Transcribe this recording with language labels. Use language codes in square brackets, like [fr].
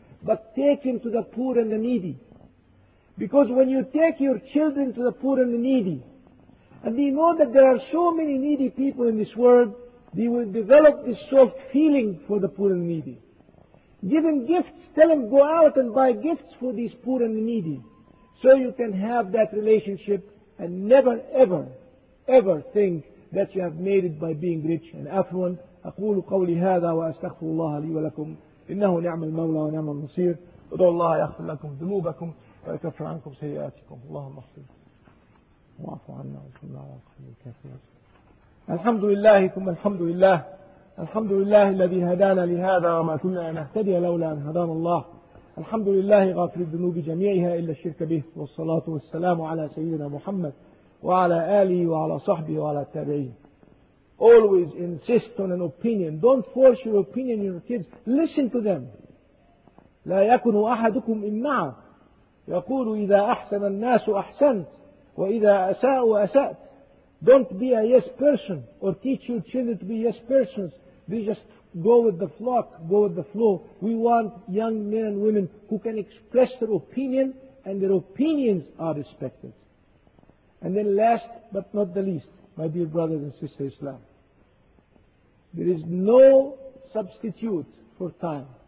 [en] But take them to the poor and the needy. Because when you take your children to the poor and the needy, and they know that there are so many needy people in this world, they will develop this soft feeling for the poor and needy. Give them gifts. Tell them, go out and buy gifts for these poor and needy. So you can have that relationship and never, ever, ever think that you have made it by being rich and affluent. [ar] أقول قولي هذا وأستغفر الله لي ولكم إنه نعم المولى ونعم النصير ادعوا الله يغفر لكم ذنوبكم ويكفر عنكم سيئاتكم اللهم اغفر وعفو عنا وصلنا وعفو الكافرين الحمد لله ثم الحمد لله الحمد لله الذي هدانا لهذا وما كنا نهتدي لولا أن هدانا الله الحمد لله غافر الذنوب جميعها إلا الشرك به والصلاة والسلام على سيدنا محمد وعلى آله وعلى صحبه وعلى التابعين. [en] Always insist on an opinion. Don't force your opinion on your kids. Listen to them. [ar] لا يكن أحدكم إمعا. يقول إذا أحسن الناس أحسنت وإذا أساء أسأت. [en] Don't be a yes person or teach your children to be yes persons. They just go with the flock, go with the flow. We want young men and women who can express their opinion and their opinions are respected. And then last but not the least, my dear brothers and sisters in Islam, there is no substitute for time.